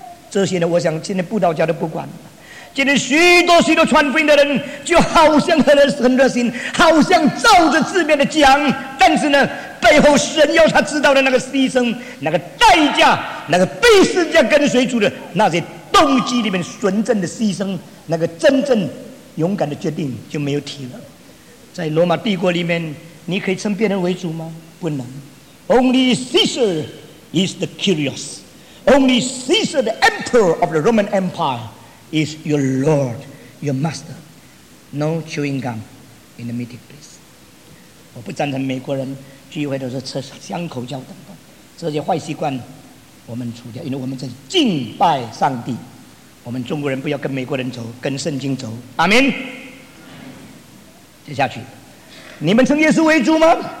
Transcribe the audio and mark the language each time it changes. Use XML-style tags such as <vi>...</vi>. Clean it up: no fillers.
<zh>这些呢，我想今天布道家都不管。今天许多许多传福音的人，就好像很热心，好像照着字面的讲，但是呢，背后神要他知道的那个牺牲、那个代价、那个被世界跟随主的那些动机里面纯正的牺牲，那个真正勇敢的决定就没有提了。在罗马帝国里面，你可以称别人为主吗？不能。</zh> <en>Only Caesar is the curious. Only Caesar, the emperor of the Roman Empire, is your lord, your master. No chewing gum in the meeting place.</en> <zh>我不赞成美国人聚会都是吃香口胶等等，这些坏习惯我们除掉，因为我们在敬拜上帝。我们中国人不要跟美国人走，跟圣经走。阿们。接下去，你们称耶稣为主吗？</zh>